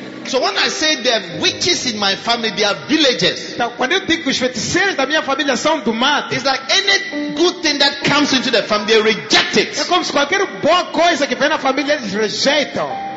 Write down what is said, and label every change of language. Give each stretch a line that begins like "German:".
English: So when I say the witches in my family, they are villagers.
Portuguese: Então, quando eu digo que os feiticeiros da minha família são do mato,
English: it's like any good thing that comes into the family, they reject it.
Portuguese: É como se qualquer boa coisa que vem na família, eles rejeitam.